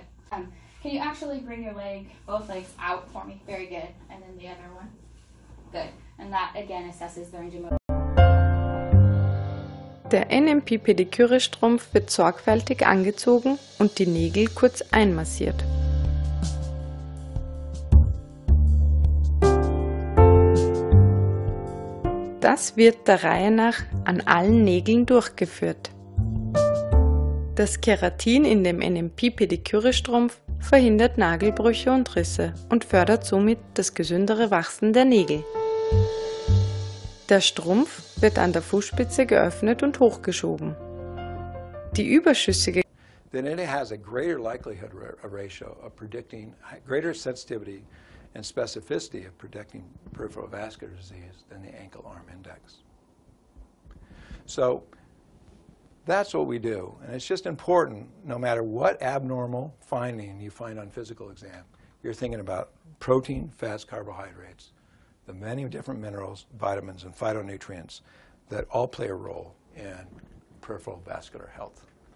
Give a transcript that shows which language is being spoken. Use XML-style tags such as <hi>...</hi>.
<en>Can you actually bring your leg, both legs out for me? Very good. And then the other one. Good. And that again assesses the range of motion.</en> <de>Der NMP-Pediküre-Strumpf wird sorgfältig angezogen und die Nägel kurz einmassiert. Das wird der Reihe nach an allen Nägeln durchgeführt. Das Keratin in dem NMP-Pediküre-Strumpf verhindert Nagelbrüche und Risse und fördert somit das gesündere Wachsen der Nägel. Der Strumpf wird an der Fußspitze geöffnet und hochgeschoben. Die überschüssige</de> <en>Then it has a greater likelihood ratio of predicting greater sensitivity and specificity of predicting peripheral vascular disease than the ankle arm index. So that's what we do, and it's just important, no matter what abnormal finding you find on physical exam, you're thinking about protein, fats, carbohydrates, the many different minerals, vitamins, and phytonutrients that all play a role in peripheral vascular health.</en>